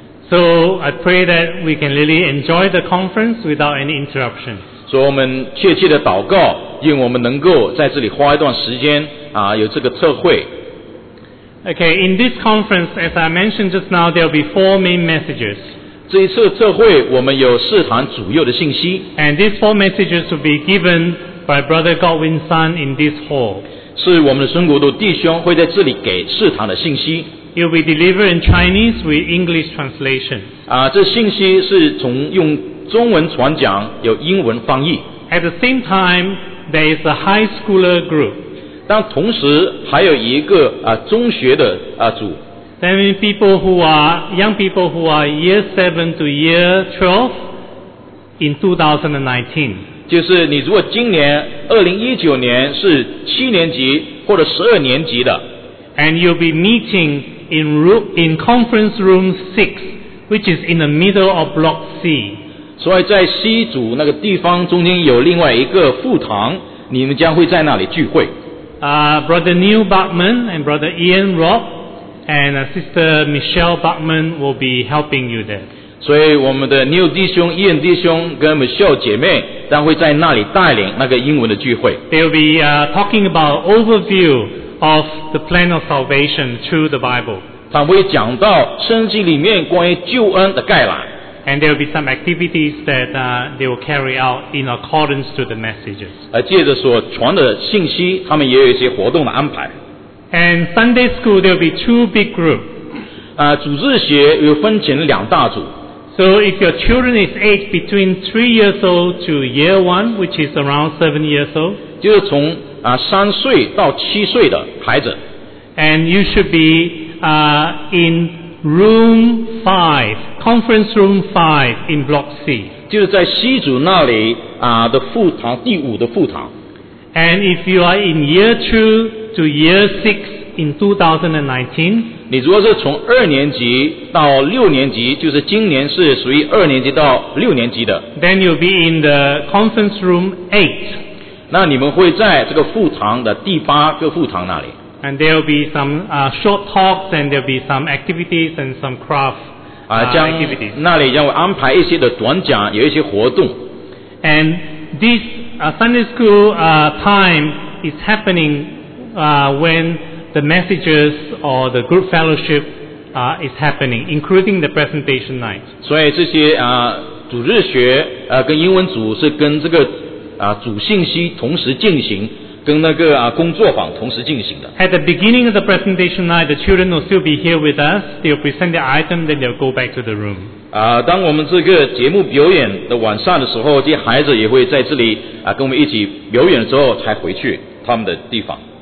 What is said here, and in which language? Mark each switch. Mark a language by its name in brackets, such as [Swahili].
[English] So I pray that we can really enjoy the conference without any interruption. [Chinese] 所以我们切切的祷告，愿我们能够在这里花一段时间有这个特会。 [English] Okay, in this conference, as I mentioned just now, there will be four main messages. [Chinese] 这一次特会我们有四堂主要的信息。 [English] And these four messages will be given by Brother Godwin's son in this hall. [Chinese] 是我们的孙古都弟兄会在这里给四堂的信息。 [English] It will be delivered in Chinese with English translation. [Chinese] 这信息是从用中文传讲，有英文翻译。 [English] At the same time, there is a high schooler group. [Chinese] 但同时还有一个中学的组。 [English] That means people who are young people who are year 7 to year 12 in 2019. [Chinese] 就是你如果今年2019年是七年级或者十二年级的。 [English] And you'll be meeting in conference room 6, which is in the middle of block C. [Chinese] 所以在 C 组那个地方中间有另外一个副堂，你们将会在那里聚会。 [English] Brother Neil Bachman and Brother Ian Rock. And Sister Michelle Bachman will be helping you there. [Chinese] 所以我们的 Neil 弟兄、Ian 弟兄跟 Michelle 姐妹将会在那里带领那个英文的聚会。 [English] They will be talking about overview of the plan of salvation through the Bible. [Chinese] 他会讲到圣经里面关于救恩的概览。 [English] And there will be some activities that they will carry out in accordance to the messages. [Chinese] 借着所传的信息，他们也有一些活动的安排。 [English] And Sunday school, there will be two big groups. [Chinese] 主日学有分成两大组。 [English] So if your children is aged between 3 years old to year one, which is around 7 years old, [Chinese] 就是从三岁到七岁的孩子。 [English] And you should be in room 5, conference room 5 in block C. [Chinese] 就是在C组那里的副堂，第五的副堂。 [English] And if you are in year 2 to year 6 in 2019, [Chinese] 你如果是从二年级到六年级，就是今年是属于二年级到六年级的。 [English] Then you'll be in the conference room 8. [Chinese] 那你们会在这个副堂的第八个副堂那里。 [English] And there'll be some short talks and there'll be some activities and some craft activities. [Chinese] 那里将会安排一些的短讲，有一些活动。 [English] And this Sunday school time is happening when the messages or the group fellowship is happening, including the presentation night. [Chinese] 所以这些主日学跟英文组是跟这个主信息同时进行，跟那个工作坊同时进行的。 [English] At the beginning of the presentation night, the children will still be here with us. They'll present their item, then they'll go back to the room. [Chinese] 当我们这个节目表演的晚上的时候，这些孩子也会在这里跟我们一起表演之后才回去他们的地方。